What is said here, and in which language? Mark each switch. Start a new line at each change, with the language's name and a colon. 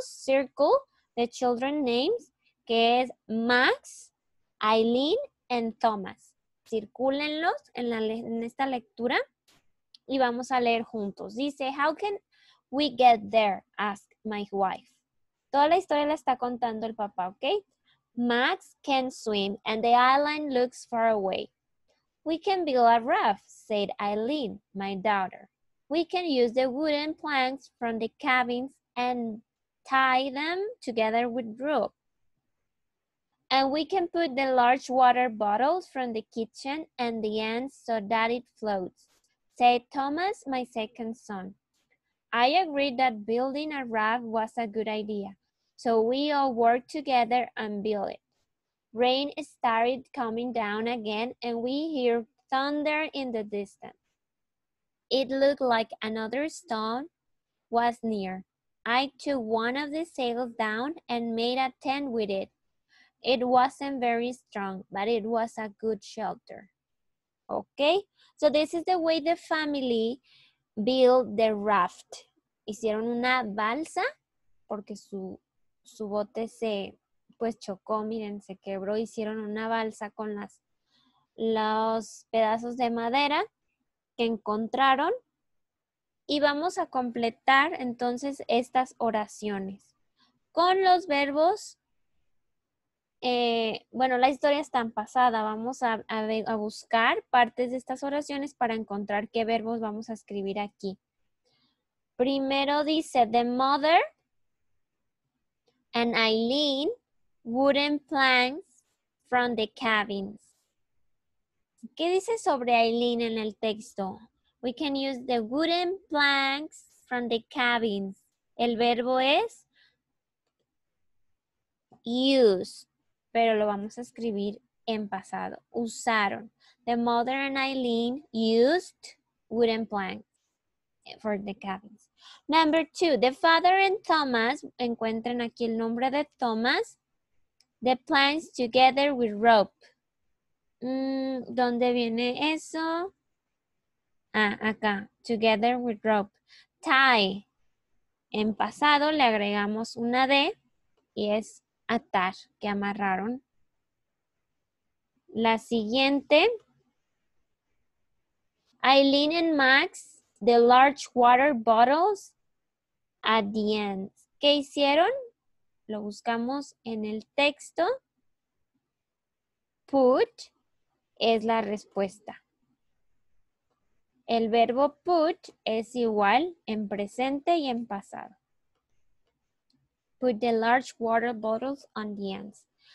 English: Circle the children names,
Spanish: que es
English: Max, Aileen, and Thomas.
Spanish: Circúlenlos en esta lectura. Y vamos a leer juntos.
English: Dice, how can we get there? Ask my wife.
Spanish: Toda la historia la está contando el papá, ¿ok?
English: Max can swim and the island looks far away. We can build a raft, said Aileen, my daughter. We can use the wooden planks from the cabins and tie them together with rope. And we can put the large water bottles from the kitchen and the ends so that it floats, said Thomas, my second son. I agreed that building a raft was a good idea, so we all worked together and built it. Rain started coming down again, and we hear thunder in the distance. It looked like another storm was near. I took one of the sails down and made a tent with it. It wasn't very strong, but it was a good shelter. Okay, so this is the way the family built the raft.
Spanish: Hicieron una balsa porque su bote se pues chocó, miren, se quebró. Hicieron una balsa con los pedazos de madera que encontraron. Y vamos a completar entonces estas oraciones con los verbos. Bueno, la historia está en pasada. Vamos a buscar partes de estas oraciones para encontrar qué verbos vamos a escribir aquí. Primero dice,
English: the mother and Aileen wooden planks from the cabins.
Spanish: ¿Qué dice sobre Aileen en el texto?
English: We can use the wooden planks from the cabins.
Spanish: El verbo es use. Pero lo vamos a escribir en pasado. Usaron.
English: The mother and Aileen used wooden planks for the cabins. Number two, the father and Thomas,
Spanish: encuentren aquí el nombre de Thomas,
English: the planks together with rope.
Spanish: ¿Dónde viene eso? Ah, acá,
English: together with rope. Tie.
Spanish: En pasado le agregamos una D y es atar, que amarraron. La siguiente.
English: Aileen and Max, the large water bottles at the end.
Spanish: ¿Qué hicieron? Lo buscamos en el texto. Put es la respuesta. El verbo put es igual en presente y en pasado.
English: Put the large water bottles on the ends.